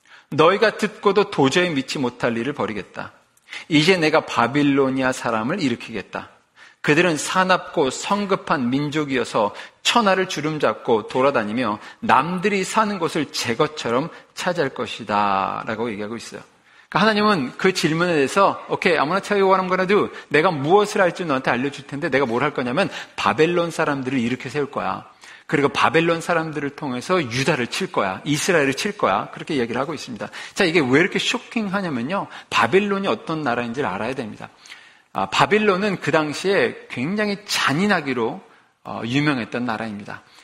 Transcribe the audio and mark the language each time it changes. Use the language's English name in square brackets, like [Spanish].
[Korean] 너희가 듣고도 도저히 믿지 못할 일을 벌이겠다. 이제 내가 바빌로니아 사람을 일으키겠다. 그들은 사납고 성급한 민족이어서 천하를 주름잡고 돌아다니며 남들이 사는 곳을 제 것처럼 차지할 것이다 라고 얘기하고 있어요. 그러니까 하나님은 그 질문에 대해서 오케이, [English] I'm gonna tell you what I'm gonna do. [Korean] 내가 무엇을 할지 너한테 알려줄 텐데 내가 뭘 할 거냐면 바벨론 사람들을 이렇게 세울 거야. 그리고 바벨론 사람들을 통해서 유다를 칠 거야. 이스라엘을 칠 거야. 그렇게 얘기를 하고 있습니다. 자, 이게 왜 이렇게 쇼킹하냐면요, 바벨론이 어떤 나라인지를 알아야 됩니다. 바빌론은 그 당시에 굉장히 잔인하기로 유명했던 나라입니다.